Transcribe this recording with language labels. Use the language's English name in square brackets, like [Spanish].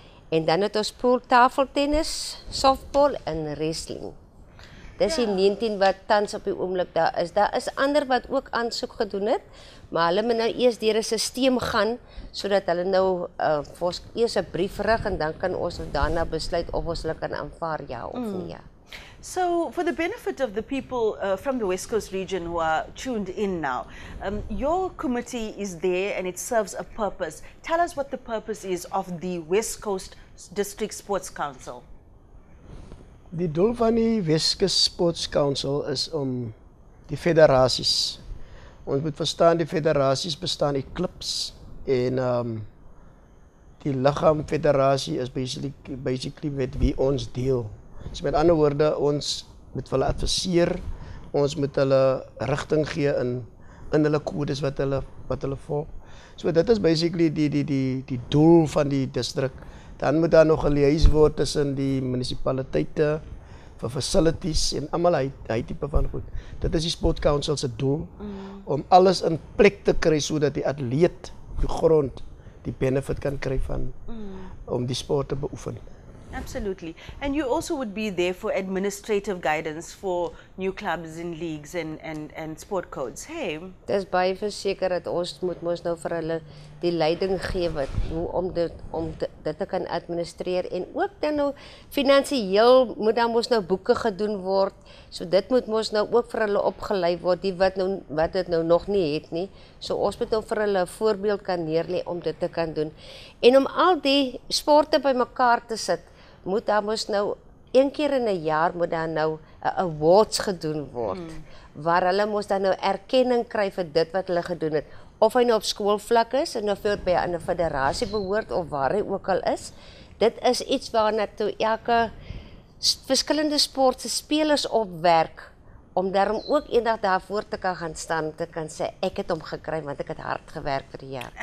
[Afrikaans] En dan het ons pool, tafeltennis, softball en wrestling. Dis die 19 wat tans op die oomblik daar is. Daar is ander wat ook aansoek gedoen het, maar hulle moet nou eers deur 'n stelsel gaan sodat hulle nou vir eers 'n brief rig en dan kan ons daarna besluit of ons hulle kan aanvaar ja of nee. [English] So, for the benefit of the people from the West Coast region who are tuned in now, your committee is there and it serves a purpose. Tell us what the purpose is of the West Coast District Sports Council. [Afrikaans] Die doel van die West Coast Sports Council is om die federasies. Ons moet verstaan die federasies bestaan uit clubs en die liggaam federasie is basically met wie ons deel. So met ander woorde, ons moet hulle adviseer, ons moet hulle rigting gee in hulle kodes wat hulle volg. So dit is basically die doel van die district. Dan moet daar nog 'n liaison word tussen die munisipaliteite vir facilities en almal hy tipe van goed. Dit is die Sport Council se doel om alles in plek te kry sodat die atleet die grond die benefit kan kry van om die sport te beoefen. [English] Absolutely. And you also would be there for administrative guidance for new clubs and leagues and sport codes. Hey. [Afrikaans] Dis baie verseker dat ons moet mos nou vir hulle die leiding gee wat hoe om dit te kan administreer en ook dan nou finansiëel moet dan mos nou boeke gedoen word. So dit moet mos nou ook vir hulle opgelei word die wat dit nou nog nie het nie. So ons moet nou vir hulle 'n voorbeeld kan neerlê om dit te kan doen. En om al die sporte bymekaar te sit moet daar mos nou een keer in 'n jaar moet dan nou 'n awards gedoen word waar hulle mos dan nou erkenning kry vir dit wat hulle gedoen het of hy nou op skoolvlak is en of hy by 'n federasie behoort of waar hy ook al is. Dit is iets waarna toe elke verskillende sport se spelers op werk om daarom ook eendag daarvoor te kan gaan staan te kan sê ek het hom gekry want ek het hard gewerk vir hier.